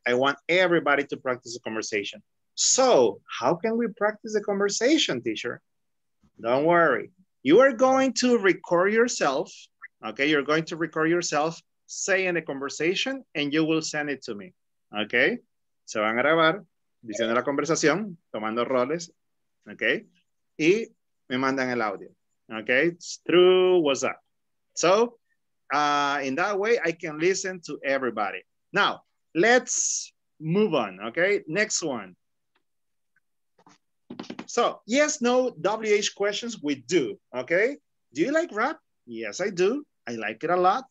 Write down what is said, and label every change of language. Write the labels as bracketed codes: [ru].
[en] I want everybody to practice a conversation. So, how can we practice a conversation, teacher? Don't worry. You are going to record yourself, okay? You're going to record yourself saying a conversation and you will send it to me, okay? [es] Se van a grabar diciendo la conversación, tomando roles, okay? Y me mandan el audio, okay? [en] It's through WhatsApp. So in that way, I can listen to everybody. Now, let's move on, okay? Next one. So yes, no, WH questions we do, okay? Do you like rap? Yes, I do. I like it a lot.